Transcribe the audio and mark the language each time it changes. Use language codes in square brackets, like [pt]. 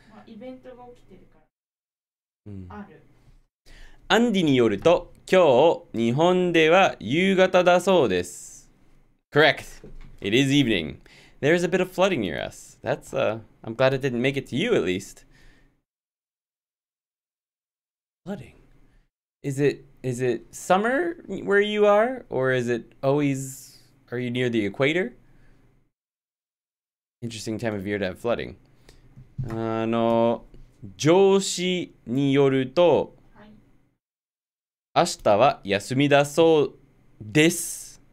[ja] イベントが起きてるから。ある。アンディによると、今日、日本では夕方だそうです。 [en] Correct. It is evening. There is a bit of flooding near us. That's, I'm glad it didn't make it to you at least. Flooding? Is it summer where you are? Or is it always, are you near the equator? Interesting time of year to have flooding. [ja] あの、上司によると、はい、明日は休みだそうです。